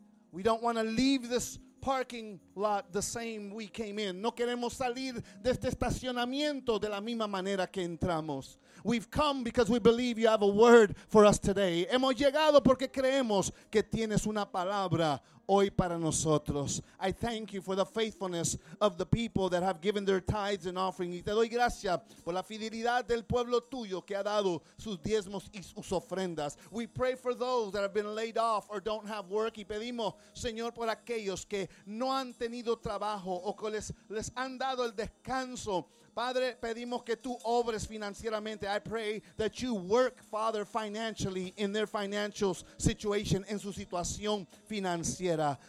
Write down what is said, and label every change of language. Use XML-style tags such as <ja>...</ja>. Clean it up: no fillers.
<en>We don't want to leave this parking lot the same we came in.</en> <es>No queremos salir de este estacionamiento de la misma manera que entramos.</es> <en>We've come because we believe you have a word for us today.</en> <es>Hemos llegado porque creemos que tienes una palabra hoy para nosotros.</es> <en>I thank you for the faithfulness of the people that have given their tithes and offering.</en> <es>Y te doy gracias por la fidelidad del pueblo tuyo que ha dado sus diezmos y sus ofrendas.</es> <en>We pray for those that have been laid off or don't have work.</en> <es>Y pedimos, Señor, por aquellos que no han tenido trabajo o que les han dado el descanso. Padre, pedimos que tú obres financieramente.</es> <en>I pray that you work, Father, financially in their financial situation,</en> <es>en su situación financiera.</es>